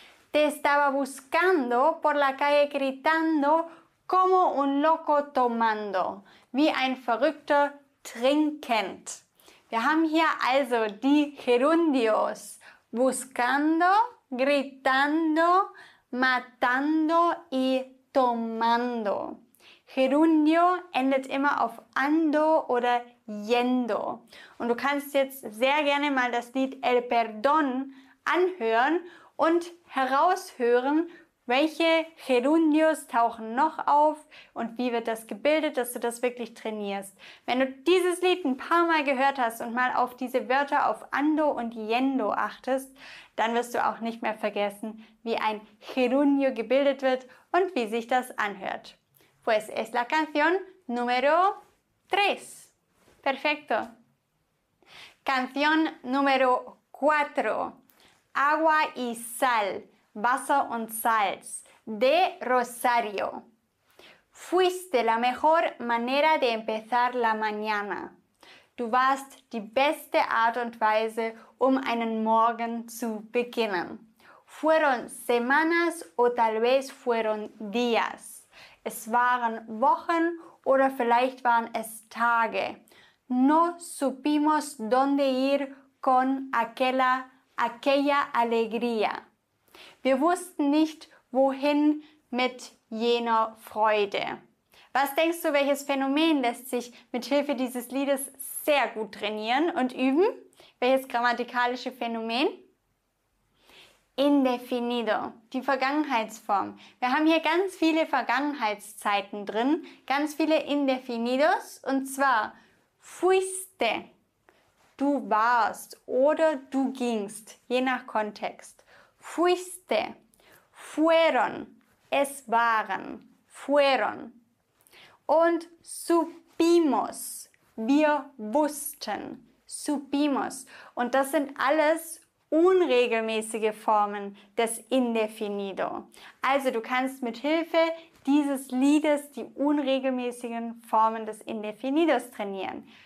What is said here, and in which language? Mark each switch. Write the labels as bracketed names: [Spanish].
[Spanish] Te estaba buscando por la calle gritando como un loco tomando. [German] Wie ein Verrückter trinkend. Wir haben hier also die Gerundios. [Spanish] Buscando, gritando, matando y tomando. [German] Gerundio endet immer auf ando oder yendo. Und du kannst jetzt sehr gerne mal das Lied El Perdón anhören und heraushören, welche Gerundios tauchen noch auf und wie wird das gebildet, dass du das wirklich trainierst. Wenn du dieses Lied ein paar Mal gehört hast und mal auf diese Wörter auf Ando und Yendo achtest, dann wirst du auch nicht mehr vergessen, wie ein Gerundio gebildet wird und wie sich das anhört. [Spanish] Pues es la canción número 3. Perfecto. Canción número 4. Agua y sal, [German] Wasser und Salz, [Spanish] de Rosario. Fuiste la mejor manera de empezar la mañana. [German] Du warst die beste Art und Weise, um einen Morgen zu beginnen. [Spanish] Fueron semanas o tal vez fueron días. [German] Es waren Wochen oder vielleicht waren es Tage. [Spanish] No supimos dónde ir con aquella alegría. [German] Wir wussten nicht, wohin mit jener Freude. Was denkst du, welches Phänomen lässt sich mit Hilfe dieses Liedes sehr gut trainieren und üben? Welches grammatikalische Phänomen? Indefinido, die Vergangenheitsform. Wir haben hier ganz viele Vergangenheitszeiten drin, ganz viele Indefinidos, und zwar fuiste. Du warst oder du gingst, je nach Kontext. [Spanish] Fuiste, fueron, [German] es waren, [Spanish] fueron. [German] Und supimos, wir wussten, supimos. Und das sind alles unregelmäßige Formen des Indefinido. Also du kannst mit Hilfe dieses Liedes die unregelmäßigen Formen des Indefinidos trainieren.